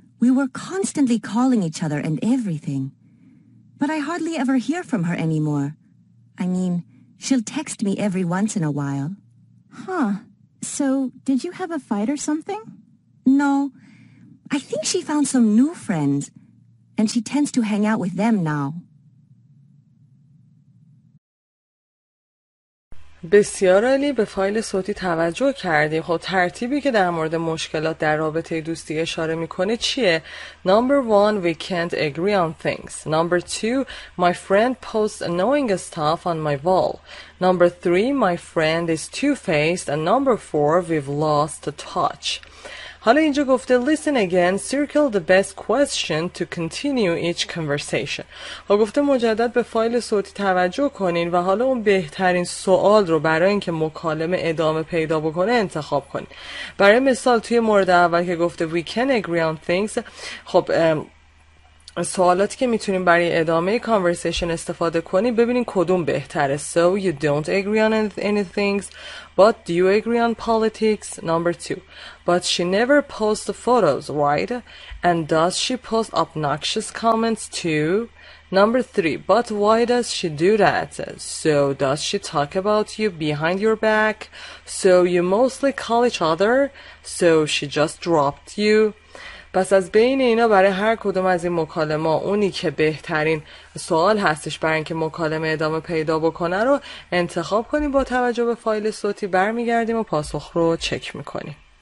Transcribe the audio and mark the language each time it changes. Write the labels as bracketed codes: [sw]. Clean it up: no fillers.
[en] We were constantly calling each other and everything. But I hardly ever hear from her anymore. I mean, she'll text me every once in a while. Huh. So, did you have a fight or something? No. I think she found some new friends, and she tends to hang out with them now. [fa] بسیار عالی، به فایل صوتی توجه کردیم. خب ترتیبی که در مورد مشکلات در رابطه دوستی اشاره میکنه چیه؟ [en] Number 1, we can't agree on things. Number 2, my friend posts annoying stuff on my wall. Number 3, my friend is two-faced. And number 4, we've lost touch. [fa] حالا اینجا گفته [en] listen again, circle the best question to continue each conversation. [fa] حالا گفته مجدد به فایل صوتی توجه کنین و حالا اون بهترین سوال رو برای اینکه مکالمه ادامه پیدا بکنه انتخاب کنین. برای مثال توی مورد اول که گفته [en] we can agree on things، [fa] خب سوالاتی که میتونیم برای ادامه کانورسیشن استفاده کنیم ببینیم کدوم بهتره. [en] So you don't agree on any things, but do you agree on politics? Number 2. But she never posts the photos, right? And does she post obnoxious comments too? Number 3. But why does she do that? So does she talk about you behind your back? So you mostly call each other? So she just dropped you? [fa] پس از بین اینا برای هر کدوم از این مکالمه اونی که بهترین سوال هستش برای اینکه مکالمه ادامه پیدا بکنه رو انتخاب کنیم با توجه به فایل صوتی، برمیگردیم و پاسخ رو چک میکنیم.